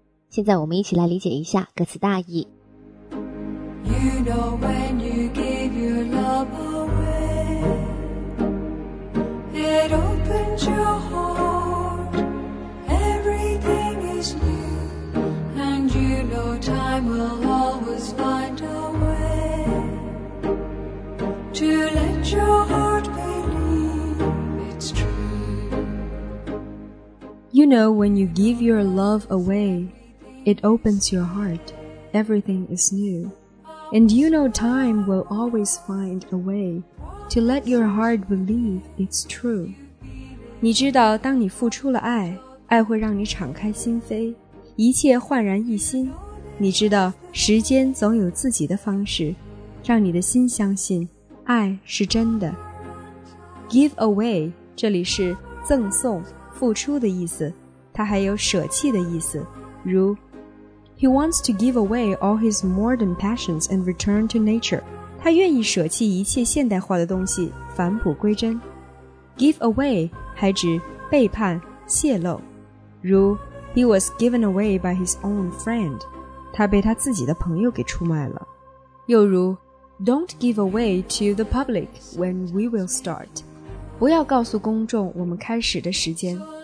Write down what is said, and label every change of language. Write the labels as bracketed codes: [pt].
[zh] 现在我们一起来理解一下歌词大意。 [en] You know when you give your love away, it opens your heart, everything is new, and you know time will always find a way to let your heart believe it's true. You know when you give your love away,It opens your heart, everything is new. And you know time will always find a way to let your heart believe it's true. [zh] 你知道当你付出了爱，爱会让你敞开心扉，一切焕然一新。你知道时间总有自己的方式，让你的心相信爱是真的。 Give away, 这里是赠送、付出的意思，它还有舍弃的意思，如 [en] He wants to give away all his modern passions and return to nature. [zh] 他愿意舍弃一切现代化的东西，返璞归真。 Give away 还指背叛、泄露。如 [en] He was given away by his own friend. [zh] 他被他自己的朋友给出卖了。又如 [en] Don't give away to the public when we will start. [zh] 不要告诉公众我们开始的时间。